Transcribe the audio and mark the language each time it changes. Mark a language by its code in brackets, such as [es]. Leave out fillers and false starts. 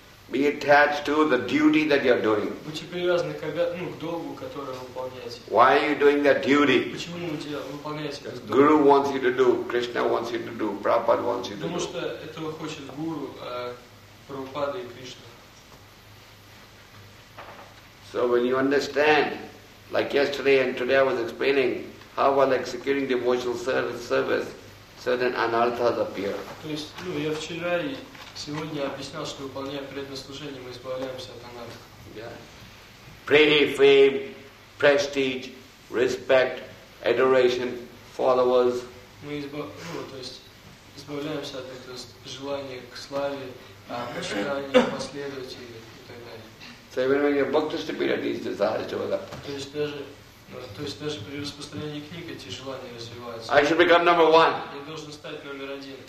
[en] Be attached to the duty that you're doing. [ru] Будьте привязаны к обязанности, к долгу, который вы выполняете. [en] Why are you doing that duty? [ru] Почему вы выполняете этот долг? [en] Guru wants you to do. Krishna wants you to do. Prabhupada wants you to do. [ru] Потому что этого хочет Гуру, а Прабхупада и Кришна. [en] So when you understand, like yesterday and today I was explaining, how while executing devotional service, certain anarthas appear. [ru] То есть, ну, я вчера и сегодня объяснял, что выполняя преднаслужение, мы избавляемся от анарх. [en] Yeah. Pray, fame, prestige, respect, adoration, followers. [ru] Мы избавляемся от этого желания к славе, почитания, последователей. [en] So even when your book distributed these desires to other. [ru] То есть даже при распространении книг эти желания развиваются. [en] I should become number one. [ru] Я должен стать номер один.